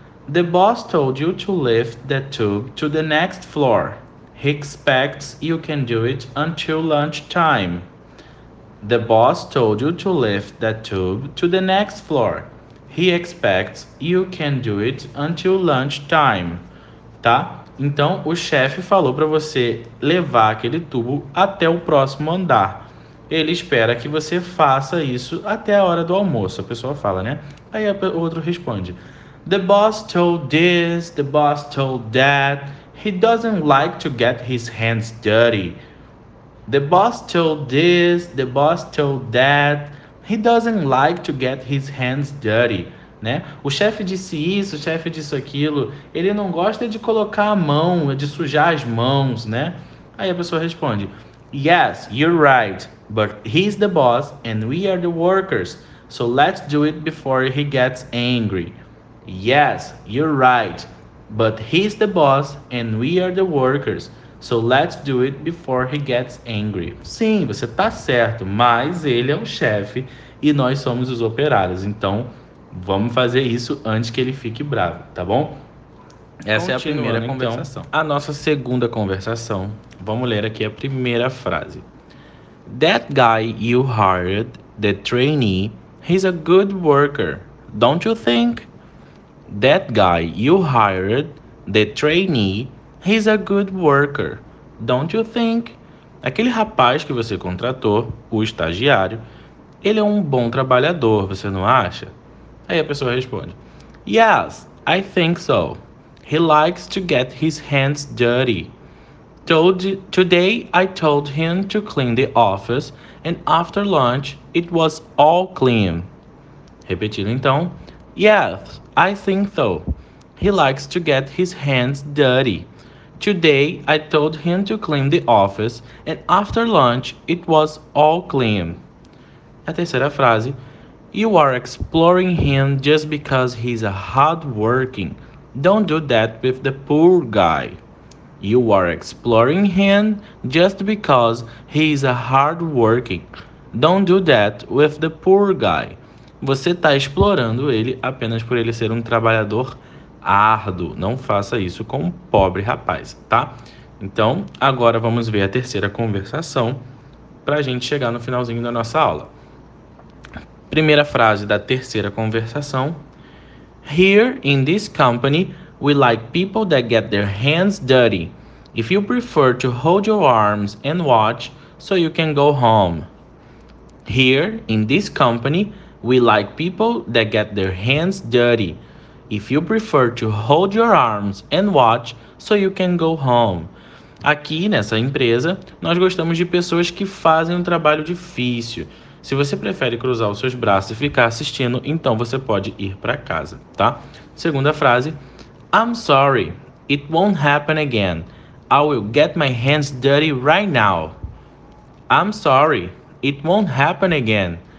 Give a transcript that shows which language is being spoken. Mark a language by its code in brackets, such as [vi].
[en] The boss told you to lift the tube to the next floor. He expects you can do it until lunchtime. The boss told you to lift the tube to the next floor. He expects you can do it until lunchtime. [pt] Tá? Então, o chefe falou para você levar aquele tubo até o próximo andar. Ele espera que você faça isso até a hora do almoço, a pessoa fala, né? Aí o outro responde: [en] The boss told this, the boss told that. He doesn't like to get his hands dirty. The boss told this, the boss told that. He doesn't like to get his hands dirty. [pt] Né? O chefe disse isso, o chefe disse aquilo. Ele não gosta de colocar a mão, de sujar as mãos, né? Aí a pessoa responde: [en] Yes, you're right, but he's the boss and we are the workers, so let's do it before he gets angry. Yes, you're right, but he's the boss and we are the workers, so let's do it before he gets angry. [pt] Sim, você tá certo, mas ele é o chefe e nós somos os operários, então vamos fazer isso antes que ele fique bravo, tá bom? Essa é a primeira Continuando então, conversação. A nossa segunda conversação. Vamos ler aqui a primeira frase. [en] That guy you hired, the trainee, he's a good worker, don't you think? That guy you hired, the trainee, he's a good worker, don't you think? [pt] Aquele rapaz que você contratou, o estagiário, ele é um bom trabalhador, você não acha? Aí a pessoa responde: [en] Yes, I think so. He likes to get his hands dirty. Today I told him to clean the office and after lunch it was all clean. [pt] Repetindo então: [en] Yes, I think so. He likes to get his hands dirty. Today I told him to clean the office and after lunch it was all clean. [pt] A terceira frase. [en] You are exploring him just because he's a hard working. Don't do that with the poor guy. You are exploring him just because he's a hard working. Don't do that with the poor guy. [pt] Você está explorando ele apenas por ele ser um trabalhador árduo. Não faça isso com um pobre rapaz, tá? Então, agora vamos ver a terceira conversação para a gente chegar no finalzinho da nossa aula. Primeira frase da terceira conversação. [en] Here in this company, we like people that get their hands dirty. If you prefer to hold your arms and watch, so you can go home. Here in this company, we like people that get their hands dirty. If you prefer to hold your arms and watch, so you can go home. [pt] Aqui nessa empresa, nós gostamos de pessoas que fazem um trabalho difícil. Se você prefere cruzar os seus braços e ficar assistindo, então você pode ir para casa, tá? Segunda frase. [en] I'm sorry, it won't happen again. I will get my hands dirty right now. I'm sorry, it won't happen again.